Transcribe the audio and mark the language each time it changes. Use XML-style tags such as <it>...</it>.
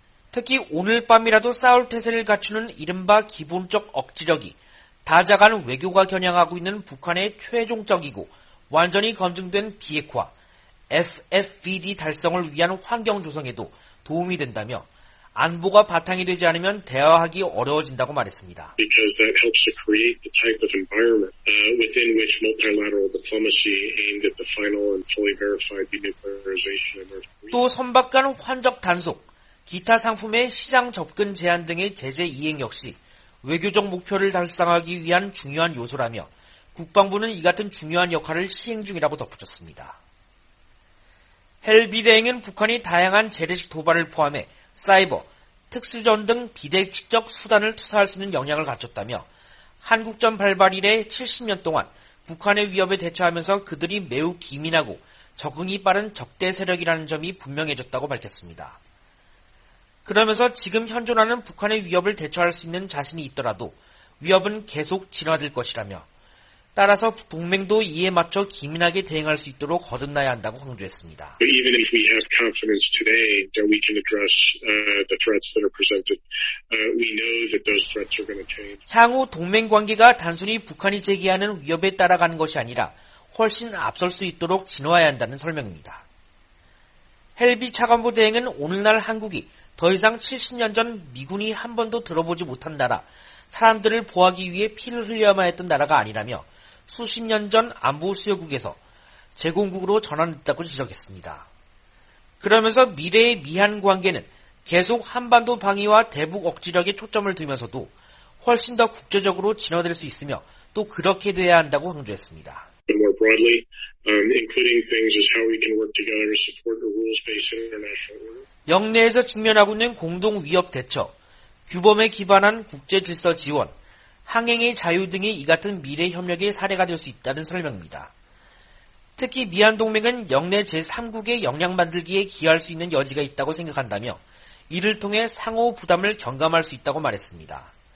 <ko>특히 오늘 밤이라도 싸울 태세를 갖추는 이른바 기본적 억지력이 다자간 외교가 겨냥하고 있는 북한의 최종적이고 완전히 검증된 비핵화, FFVD 달성을 위한 환경 조성에도 도움이 된다며 안보가 바탕이 되지 않으면 대화하기 어려워진다고 말했습니다.</ko> <en>Because that helps to create the type of environment within which multilateral diplomacy aimed at the final and fully verified denuclearization of North Korea.</en> <ko>또 선박 간 환적 단속, 기타 상품의 시장 접근 제한 등의 제재 이행 역시 외교적 목표를 달성하기 위한 중요한 요소라며 국방부는 이 같은 중요한 역할을 시행 중이라고 덧붙였습니다. 헬비대행은 북한이 다양한 재래식 도발을 포함해 사이버, 특수전 등 비대칭적 수단을 투사할 수 있는 역량을 갖췄다며 한국전 발발 이래 70년 동안 북한의 위협에 대처하면서 그들이 매우 기민하고 적응이 빠른 적대 세력이라는 점이 분명해졌다고 밝혔습니다. 그러면서 지금 현존하는 북한의 위협을 대처할 수 있는 자신이 있더라도 위협은 계속 진화될 것이라며 따라서 동맹도 이에 맞춰 기민하게 대응할 수 있도록 거듭나야 한다고 강조했습니다.</ko> <en>Even if we have confidence today that we can address the threats that are presented, we know that those threats are going to change.</en> <ko>향후 동맹 관계가 단순히 북한이 제기하는 위협에 따라가는 것이 아니라 훨씬 앞설 수 있도록 진화해야 한다는 설명입니다. 헬비 차관보 대행은 오늘날 한국이 더 이상 70년 전 미군이 한 번도 들어보지 못한 나라, 사람들을 보호하기 위해 피를 흘려야만 했던 나라가 아니라며 수십 년 전 안보 수여국에서 제공국으로 전환했다고 지적했습니다. 그러면서 미래의 미한 관계는 계속 한반도 방위와 대북 억지력에 초점을 두면서도 훨씬 더 국제적으로 진화될 수 있으며 또 그렇게 돼야 한다고 강조했습니다.</ko> <en>More broadly, including things as how we can work together to support the rules-based international order.</en> <ko>영내에서 직면하고 있는 공동 위협 대처, 규범에 기반한 국제 질서 지원, 항행의 자유 등이 이 같은 미래 협력의 사례가 될 수 있다는 설명입니다. 특히 미한 동맹은 영내 제3국의 역량 만들기에 기여할 수 있는 여지가 있다고 생각한다며 이를 통해 상호 부담을 경감할 수 있다고 말했습니다.</ko>